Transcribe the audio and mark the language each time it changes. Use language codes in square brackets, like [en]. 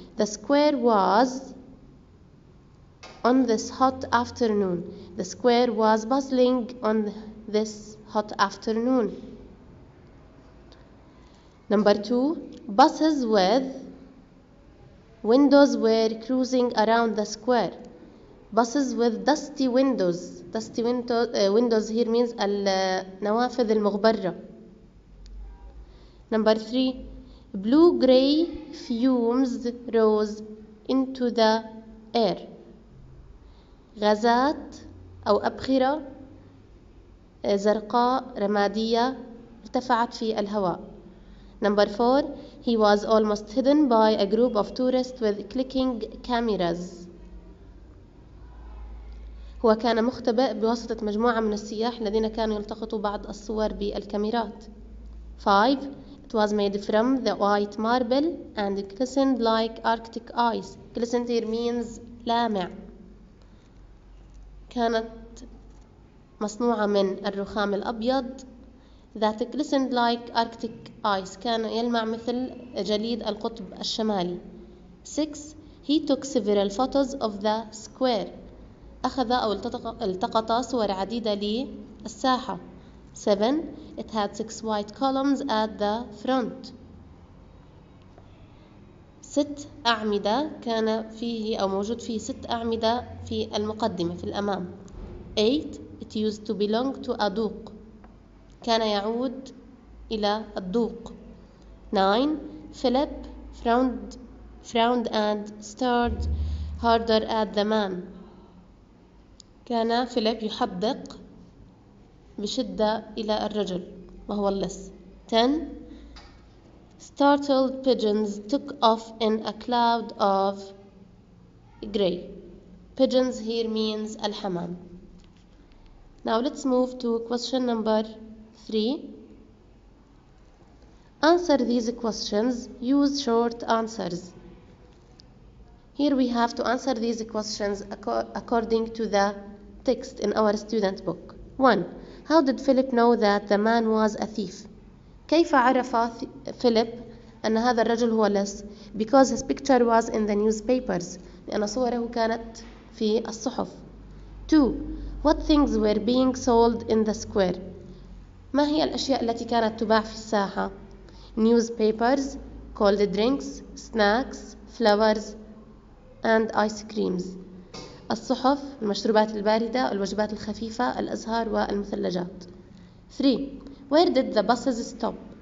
[en] The square was on this hot afternoon. The square was bustling on this hot afternoon. Number 2, buses with windows were cruising around the square. Buses with dusty windows. Dusty windows here means [ar] النوافذ المغبرة. [en] Number 3, blue-gray fumes rose into the air. [ar] غازات أو أبخرة زرقاء رمادية ارتفعت في الهواء. [en] Number 4. He was almost hidden by a group of tourists with clicking cameras. [ar] هو كان مختبئ بواسطة مجموعة من السياح الذين كانوا يلتقطوا بعض الصور بالكاميرات. 5. [en] It was made from the white marble and glistened like arctic ice. Glistened here means لامع. [ar] كانت مصنوعة من الرخام الأبيض. [en] That glistened like arctic ice. [ar] كان يلمع مثل جليد القطب الشمالي. [en] 6. He took several photos of the square. [ar] أخذ أو التقط صور عديدة للساحة. [en] 7. It had 6 white columns at the front. [ar] 6 أعمدة. كان فيه أو موجود فيه 6 أعمدة في المقدمة في الأمام. [en] 8. It used to belong to a dock. [ar] كان يعود إلى الدوق. [en] 9. Philip frowned and stared harder at the man. [ar] كان فيليب يحدق بشدة إلى الرجل وهو اللص. [en] 10. Startled pigeons took off in a cloud of gray. Pigeons here means الحمام. Now let's move to question number 3. Answer these questions. Use short answers. Here we have to answer these questions according to the text in our student book. 1. How did Philip know that the man was a thief? [ar] كيف عرف Philip أن هذا الرجل هو لص? [en] Because his picture was in the newspapers. [ar] لأن صوره كانت في الصحف. [en] 2. What things were being sold in the square? [ar] ما هي الأشياء التي كانت تباع في الساحة؟ [en] Newspapers, cold drinks, snacks, flowers, and ice creams. [ar] الصحف، المشروبات الباردة، الوجبات الخفيفة، الأزهار والمثلجات. [en] 3. Where did the buses stop?